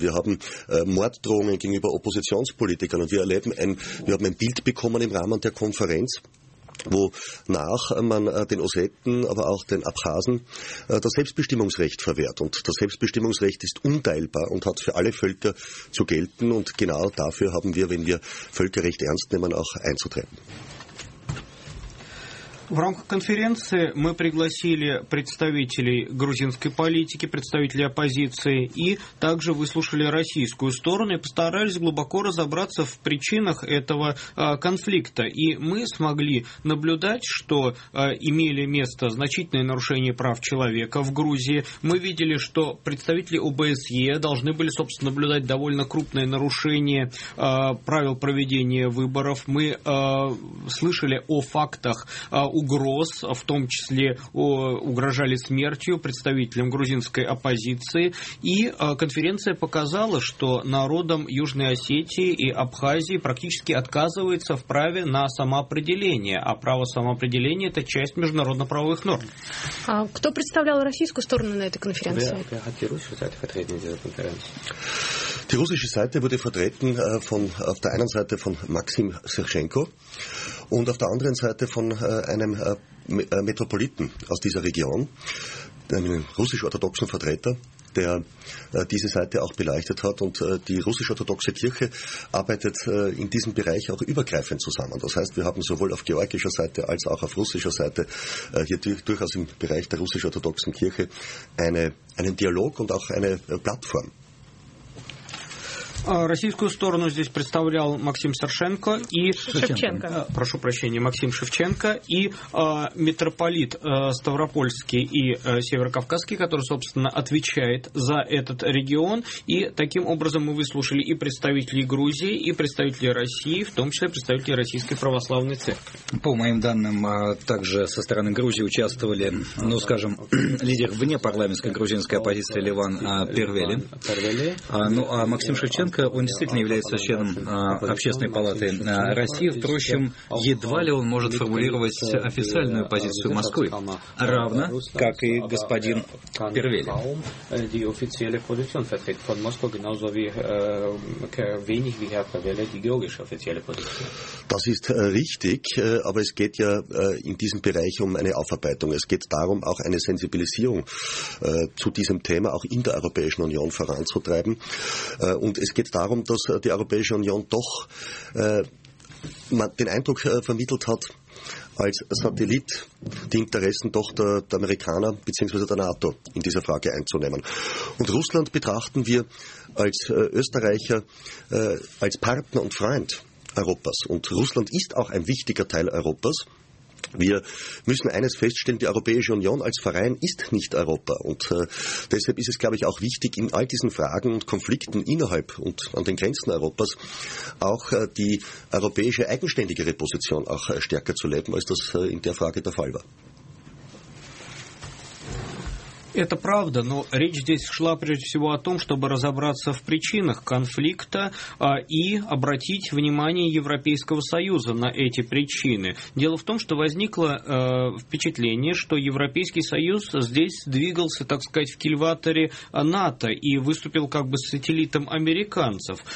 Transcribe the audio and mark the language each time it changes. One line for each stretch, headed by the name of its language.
German: Wir haben Morddrohungen gegenüber Oppositionspolitikern und wir haben ein Bild bekommen, kommen im Rahmen der Konferenz, wonach man den Ossetten, aber auch den Abchasen das Selbstbestimmungsrecht verwehrt. Und das Selbstbestimmungsrecht ist unteilbar und hat für alle Völker zu gelten. Und genau dafür haben wir, wenn wir Völkerrecht ernst nehmen, auch einzutreten.
Russian: В рамках конференции мы пригласили представителей грузинской политики, представителей оппозиции, и также выслушали российскую сторону и постарались глубоко разобраться в причинах этого конфликта. И мы смогли наблюдать, что имели место значительные нарушения прав человека в Грузии. Мы видели, что представители ОБСЕ должны были, собственно, наблюдать довольно крупное нарушение правил проведения выборов. Мы слышали о фактах угроз, в том числе угрожали смертью представителям грузинской оппозиции. И конференция показала, что народам Южной Осетии и Абхазии практически отказывается в праве на самоопределение. А право самоопределения – это часть международно-правовых норм. А кто представлял российскую сторону на этой конференции?
German: Die russische Seite wurde vertreten auf der einen Seite von Maxim Sirchenko und auf der anderen Seite von einem Metropoliten aus dieser Region, einem russisch-orthodoxen Vertreter, der diese Seite auch beleuchtet hat. Und die russisch-orthodoxe Kirche arbeitet in diesem Bereich auch übergreifend zusammen. Das heißt, wir haben sowohl auf georgischer Seite als auch auf russischer Seite hier durchaus im Bereich der russisch-orthodoxen Kirche einen Dialog und auch eine Plattform.
Russian: Российскую сторону здесь представлял Максим Сершенко и Шевченко. Прошу прощения, Максим Шевченко и митрополит Ставропольский и Северокавказский, который, собственно, отвечает за этот регион. И таким образом мы выслушали и представителей Грузии, и представителей России, в том числе представителей Российской Православной Церкви. По моим данным, также со стороны Грузии участвовали, ну, скажем, лидер внепарламентской грузинской оппозиции Ливан Первели. Ну, а Максим Шевченко, он действительно является членом Общественной палаты России. Впрочем, едва ли он может формулировать официальную позицию Москвы, равно как и господин Первели.
German: Die offizielle Position vertritt von Moskau, genauso wie wenig wie Herr Pavel die georgische offizielle Position. Das ist richtig, aber es geht ja in diesem Bereich um eine Aufarbeitung. Es geht darum, auch eine Sensibilisierung zu diesem Thema auch in der Europäischen Union voranzutreiben. Und es geht darum, dass die Europäische Union doch den Eindruck vermittelt hat, als Satellit die Interessen doch der Amerikaner bzw. der NATO in dieser Frage einzunehmen. Und Russland betrachten wir als Österreicher, als Partner und Freund Europas. Und Russland ist auch ein wichtiger Teil Europas. Wir müssen eines feststellen, die Europäische Union als Verein ist nicht Europa. Und deshalb ist es, glaube ich, auch wichtig, in all diesen Fragen und Konflikten innerhalb und an den Grenzen Europas auch die europäische eigenständigere Position auch stärker zu leben, als das in der Frage der Fall war.
Russian: Это правда, но речь здесь шла прежде всего о том, чтобы разобраться в причинах конфликта и обратить внимание Европейского Союза на эти причины. Дело в том, что возникло впечатление, что Европейский Союз здесь двигался, так сказать, в кильватере НАТО и выступил как бы сателлитом американцев.